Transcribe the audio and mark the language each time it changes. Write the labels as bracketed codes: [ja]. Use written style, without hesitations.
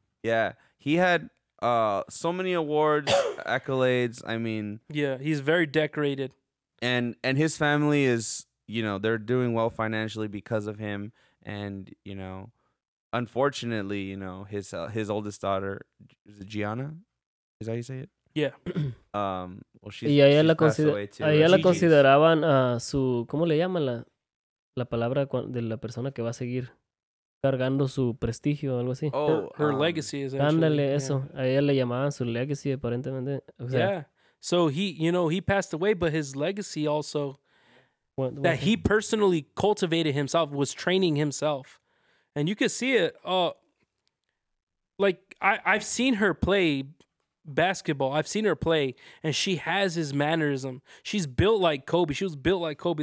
[en] Yeah. He had so many awards, accolades. I mean... Yeah, he's very decorated. And his family is, you know, they're doing well financially because of him. And, you know, unfortunately, you know, his oldest daughter, is it Gianna? Is that how you say it? Yeah. Well, she's passed away too. [es] Y ella la consideraban su, ¿cómo le llaman la palabra de la persona que va a seguir cargando su prestigio o algo así? [en] Oh, her legacy is actually. [es] Ándale, eso. Yeah. A ella le llamaban su legacy, aparentemente. O sea, [en] yeah. So he, you know, he passed away, but his legacy also that he personally cultivated himself, was training himself. And you can see it. Like, I've seen her play basketball. I've seen her play, and she has his mannerism. She's built like Kobe. She was built like Kobe.